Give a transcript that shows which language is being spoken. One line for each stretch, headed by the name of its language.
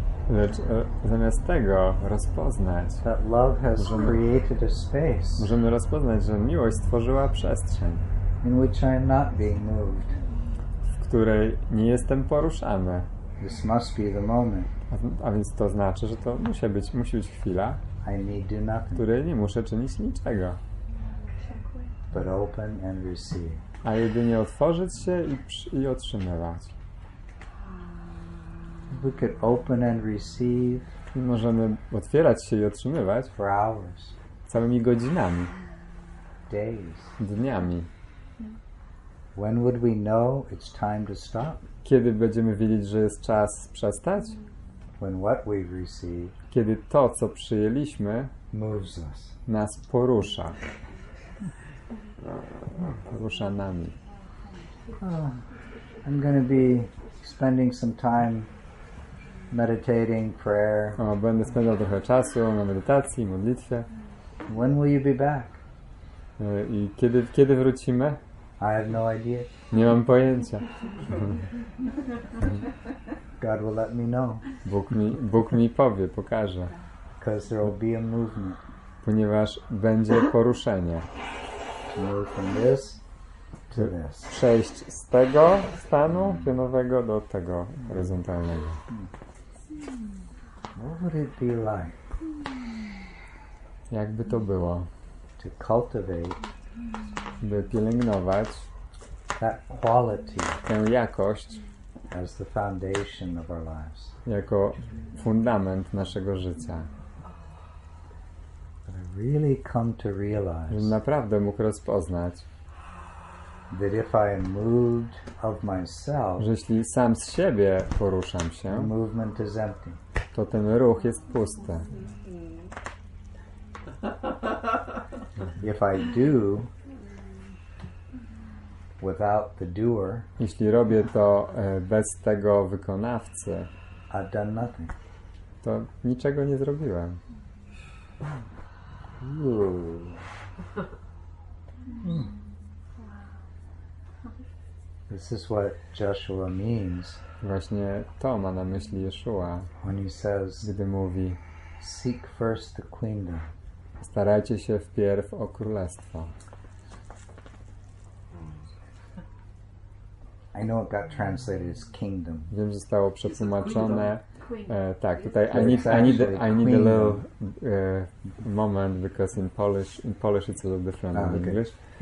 Polish: Lecz zamiast tego rozpoznać.
English: That love has created a space.
Polish: Możemy rozpoznać, że miłość stworzyła przestrzeń.
English: In which I am not being moved.
Polish: W której nie jestem poruszany.
English: This must be the moment.
Polish: A więc to znaczy, że to musi być chwila,
English: I need do nothing.
Polish: W której nie muszę czynić niczego.
English: But open and receive.
Polish: A jedynie otworzyć się i otrzymywać.
English: We could open and receive.
Polish: I możemy otwierać się i otrzymywać.
English: For hours.
Polish: Całymi godzinami.
English: Days.
Polish: Dniami.
English: When would we know it's time to stop?
Polish: Kiedy będziemy wiedzieć, że jest czas przestać?
English: When what we've received.
Polish: Kiedy to, co przyjęliśmy,
English: moves us.
Polish: Nas porusza. Rusza nami.
English: Oh, I'm going to be spending some time meditating, prayer.
Polish: O, będę spędzał trochę czasu na medytacji, modlitwie.
English: When will you be back?
Polish: I kiedy wrócimy?
English: I have no idea.
Polish: Nie mam pojęcia.
English: God will let me know.
Polish: Bóg mi powie, pokaże.
English: Because there will be a movement.
Polish: Ponieważ będzie poruszenie.
English: Move from this to this.
Polish: Przejść z tego stanu pionowego do tego horyzontalnego.
English: What would it be like?
Polish: Jakby to było?
English: To cultivate,
Polish: by pielęgnować
English: that quality,
Polish: tę jakość
English: as the foundation of our lives.
Polish: Jako fundament naszego życia.
English: Really come to realize.
Polish: Naprawdę mógł rozpoznać.
English: That if I am moved of myself.
Polish: Że jeśli sam z siebie poruszam się.
English: The movement is empty.
Polish: To ten ruch jest pusty.
English: If I do. Without the doer.
Polish: Jeśli robię to bez tego wykonawcy.
English: I've done nothing.
Polish: To niczego nie zrobiłem.
English: This is what Joshua means.
Polish: Właśnie to ma na myśli Jeszua.
English: When he says,
Polish: gdy mówi,
English: seek first the kingdom.
Polish: Starajcie się wpierw o królestwo.
English: I know it got translated as kingdom.
Polish: Wiem, że zostało przetłumaczone. Tak, tutaj
English: I need a little moment, because in Polish it's a little different than English.